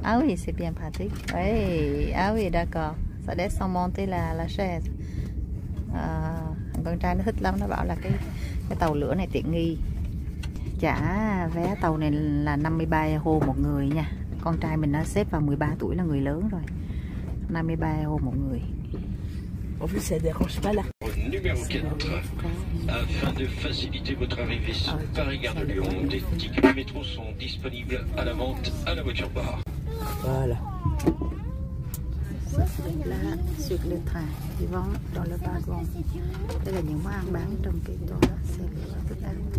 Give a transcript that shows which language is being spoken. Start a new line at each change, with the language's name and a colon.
French: Ah oui, c'est bien pratique. Oui, ah oui, d'accord. Ça descend monter la chaise.
Vietnamese: À, con trai nó thích lắm, nó bảo là cái tàu lửa này tiện nghi. Trả vé tàu này là 53 euro một người nha. Con trai mình nó xếp vào 13 tuổi là người lớn rồi. 53 euro một người.
French: En plus, ça dérange pas là. Numéro 4. Afin de faciliter votre arrivée sur Paris Gare de Lyon, des tickets de métro sont disponibles à la vente à la voiture bar. Voilà. Là sur le train, ils vont dans le wagon.
Vietnamese: Đây là những món ăn bán trong cái tòa xe lửa thức ăn.